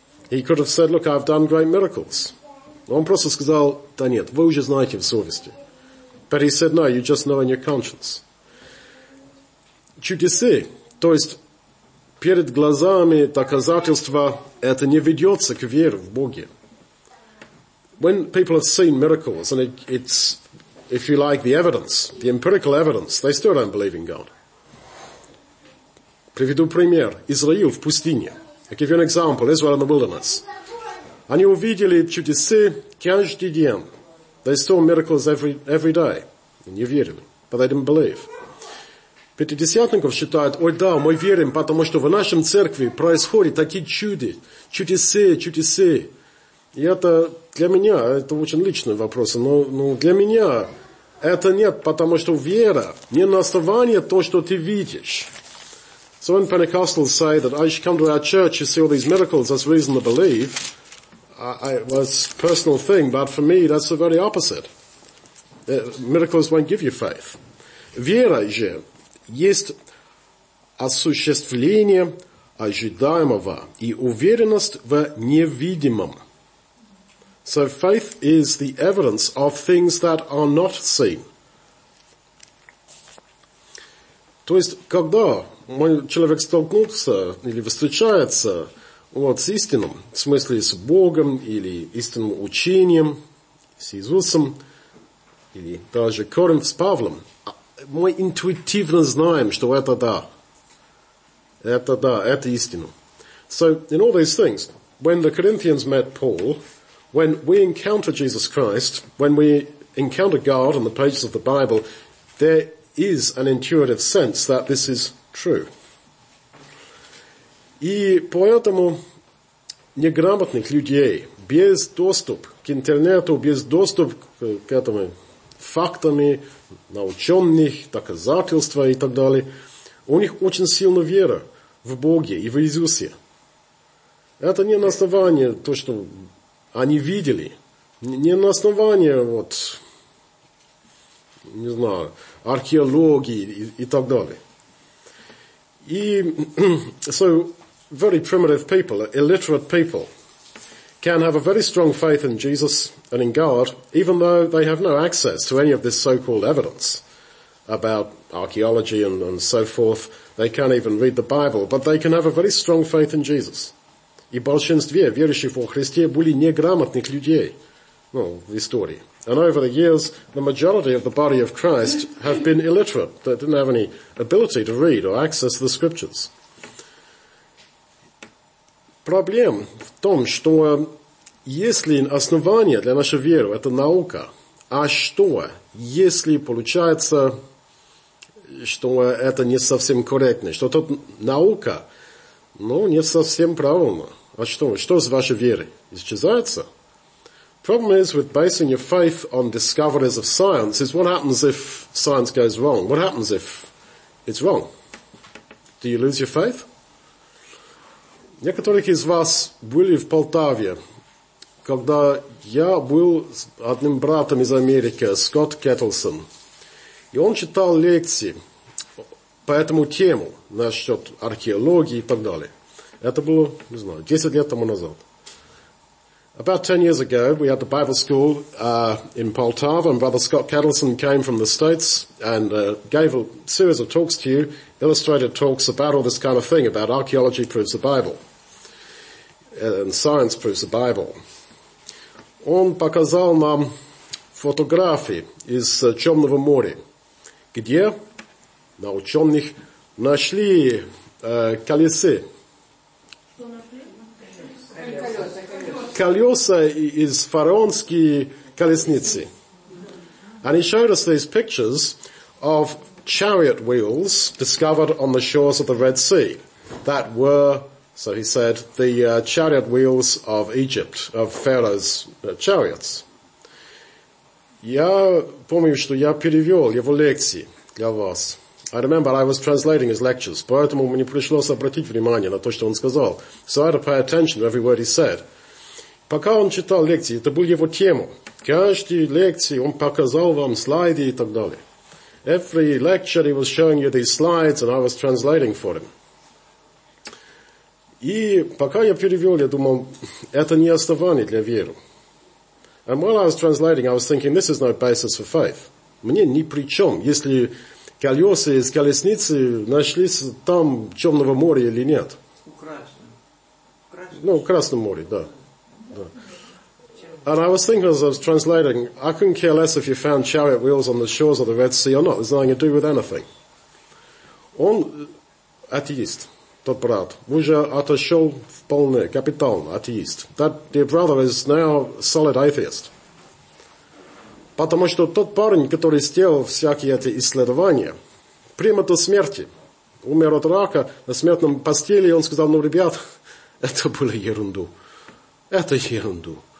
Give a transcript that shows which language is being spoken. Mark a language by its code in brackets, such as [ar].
[en] He could have said, look, I've done great miracles. [ru] Он просто сказал, да нет, вы уже знаете в совести. [en] But he said, no, you just know in your conscience. [ru] Чудеса, то есть перед глазами доказательства, это не ведется к вере в Боге. [en] When people have seen miracles, and it's, if you like, the evidence, the empirical evidence, they still don't believe in God. [ru] Приведу пример. Израил в пустыне. [en] I'll give you an example. Israel in the wilderness. [ru] Они увидели чудеса каждый день. [en] They saw miracles every day. [ru] Не верили. [en] But they didn't believe. [ru] Пятидесятников считают, ой да, мы верим, потому что в нашем церкви происходят такие чудеса. И это для меня, это очень личный вопрос, но для меня это нет, потому что вера не на основании то, что ты видишь. [en] So when Pentecostals say that I should come to our church to see all these miracles, that's reason to believe, it's a personal thing, but for me that's the very opposite. Miracles won't give you faith. [ru] Вера же есть осуществление ожидаемого и уверенность в невидимом. [en] So faith is the evidence of things that are not seen. [ru] То есть, когда мой человек столкнулся или встречается вот, с истинным, в смысле с Богом или истинным учением, с Иисусом, или даже Коринф с Павлом, мы интуитивно знаем, что это да. Это да, это истина. [en] So, in all these things, when the Corinthians met Paul, when we encounter Jesus Christ, when we encounter God on the pages of the Bible, there is an intuitive sense that this is true. [ru] И поэтому неграмотных людей, без доступа к интернету, без доступа к этому фактами, наученных, доказательства и так далее, у них очень сильная вера в Боге и в Иисусе. Это не на основании то, что они видели, не на основании не знаю, археологии и так далее. [en] И so very primitive people, illiterate people, can have a very strong faith in Jesus and in God, even though they have no access to any of this so-called evidence about archaeology and so forth. They can't even read the Bible, but they can have a very strong faith in Jesus. [ru] И большинство верующих во Христе были неграмотных людей, ну, в истории. [en] And over the years, the majority of the body of Christ have been illiterate. They didn't have any ability to read or access the scriptures. [ru] Проблема в том, что если основание для нашей веры – это наука, а что, если получается, что это не совсем корректно, что тут наука, ну, не совсем правильно. А что? Что с вашей верой? Исчезается? [en] Problem is with basing your faith on discoveries of science is what happens if science goes wrong? What happens if it's wrong? Do you lose your faith? [ru] Некоторых из вас были в Полтаве, когда я был с одним братом из Америки, Скотт Кеттлсон, и он читал лекции по этому тему насчет археологии и так далее. Это было, не знаю, 10 лет тому назад. [en] About 10 years ago, we had the Bible school in Poltava, and Brother Scott Cattleson came from the States and gave a series of talks to you, illustrated talks about all this kind of thing, about archaeology proves the Bible, and science proves the Bible. [ru] Он показал нам фотографии из Черного моря, где на ученых нашли колесы. Колеса из фараонской колесницы. [en] And he showed us these pictures of chariot wheels discovered on the shores of the Red Sea that were, so he said, the chariot wheels of Egypt, of Pharaoh's chariots. [ru] Я помню, что я перевел его лекции для вас. [en] I remember I was translating his lectures, [ru] поэтому мне пришлось обратить внимание на то, что он сказал. [en] So I had to pay attention to every word he said. [ru] Пока он читал лекции, это была его тема. Каждую лекцию он показал вам слайды и так далее. [en] Every lecture he was showing you these slides and I was translating for him. [ru] И пока я перевел, я думал, это не основание для веры. [en] And while I was translating, I was thinking, this is no basis for faith. [ru] Мне ни при чем, если колеса из колесницы нашлись там, в Черного моря или нет. Украшено. Ну, в Красном море, да. [en] And I was thinking as I was translating, I couldn't care less if you found chariot wheels on the shores of the Red Sea or not. There's nothing to do with anything. [ru] Он атеист, тот брат, уже отошел вполне, капитально атеист. [en] That dear brother is now solid atheist. [ru] Потому что тот парень, который сделал всякие эти исследования, прямо до смерти, умер от рака, на смертном постели, он сказал, ну, ребят, это было ерунду. Это ерунду.